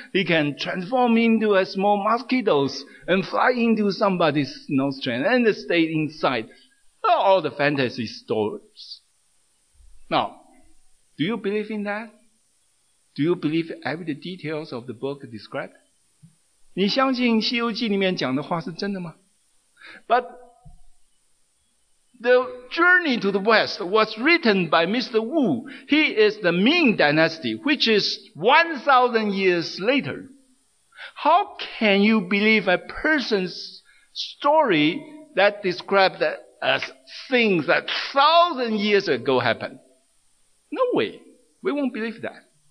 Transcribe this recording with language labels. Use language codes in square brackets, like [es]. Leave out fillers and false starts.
[en] He can transform into a small mosquito and fly into somebody's nostril and stay inside. All the fantasy stories. Now, do you believe in that? Do you believe every details of the book described? [zh] 你相信《西游记》里面讲的话是真的吗？ But [en] The Journey to the West was written by Mr. Wu. He is the Ming Dynasty, which is 1,000 years later. How can you believe a person's story that describes that as things that 1,000 years ago happened? No way. We won't believe that.